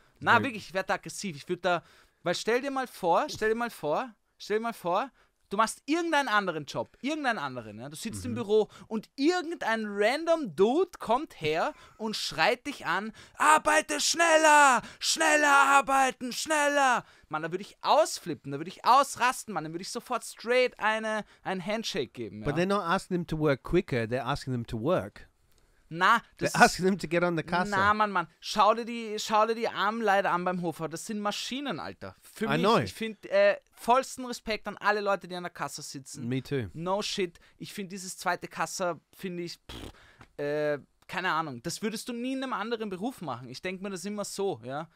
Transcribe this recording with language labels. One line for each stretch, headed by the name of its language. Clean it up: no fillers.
German: Na, wirklich, ich werde da aggressiv. Ich würde da, weil stell dir mal vor, du machst irgendeinen anderen Job, ja? Du sitzt im Büro und irgendein random Dude kommt her und schreit dich an, arbeite schneller, schneller arbeiten, schneller. Mann, da würde ich ausflippen, da würde ich ausrasten, Mann, da würde ich sofort straight ein Handshake geben. Ja?
English: But they're not asking them to work quicker, they're asking them to work.
German: Na,
English: they're asking them to get on the Kasse.
German: Na, Mann, schau dir die Armen leider an beim Hofer. Das sind Maschinen, Alter. Für mich, ich finde, vollsten Respekt an alle Leute, die an der Kasse sitzen.
English: Me too. No shit.
German: Ich finde, dieses zweite Kasse, finde ich, keine Ahnung. Das würdest du nie in einem anderen Beruf machen. Ich denke mir das immer so, ja.